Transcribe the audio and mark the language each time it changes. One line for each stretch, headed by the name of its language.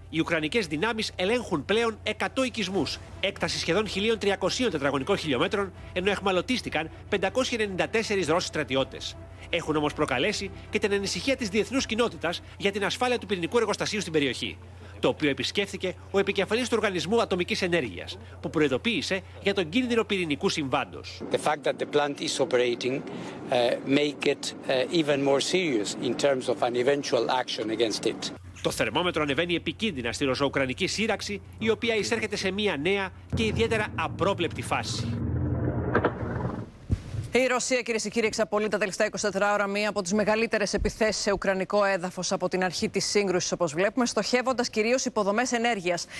Greek: Οι Ουκρανικές δυνάμεις ελέγχουν πλέον 100 οικισμούς, έκταση σχεδόν 1.300 τετραγωνικών χιλιόμετρων, ενώ εχμαλωτίστηκαν 594 Ρώσοι στρατιώτες. Έχουν όμως προκαλέσει και την ανησυχία της διεθνούς κοινότητας για την ασφάλεια του πυρηνικού εργοστασίου στην περιοχή, το οποίο επισκέφθηκε ο επικεφαλής του Οργανισμού Ατομικής Ενέργειας, που προειδοποίησε για τον κίνδυνο πυρηνικού συμβάντος.
English: The fact that the plant is operating makes it even more serious in terms of an eventual action against it.
Greek: Το θερμόμετρο ανεβαίνει επικίνδυνα στη ρωσο-ουκρανική σύραξη, η οποία εισέρχεται σε μια νέα και ιδιαίτερα απρόβλεπτη φάση. Η Ρωσία, κυρίες και κύριοι, εξαπολύει τα τελευταία 24 ώρα μία από τις μεγαλύτερες επιθέσεις σε ουκρανικό έδαφος από την αρχή της σύγκρουσης, όπως βλέπουμε, στοχεύοντας κυρίως υποδομές ενέργειας.